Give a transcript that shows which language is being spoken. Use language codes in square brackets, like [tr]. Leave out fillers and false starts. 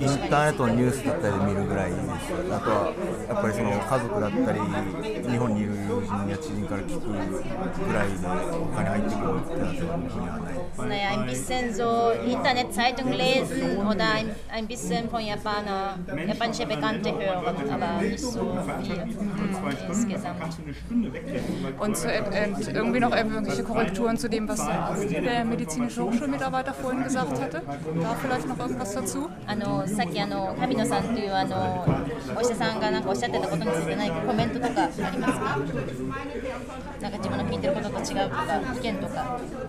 [ja] ターネットのニュースだったり見るぐらいです。あとはやっぱりその家族だったり日本にいる友人や知人から聞くぐらいで他に入ってくるってのは全然ではない。 [de] ね、ein bisschen so Internet Zeitung lesen oder ein bisschen von japanische Bekannte hören, aber nicht so viel insgesamt. Und zu irgendwie noch irgendwelche Korrekturen zu dem, was der medizinische Hochschulmitarbeiter vorhin gesagt hatte. Da vielleicht noch irgendwas dazu? [ja] さっき神野さんというお医者さんがなんかおっしゃってたことについて何かコメントとかありますか？なんか自分の聞いてることと違うとか意見とか。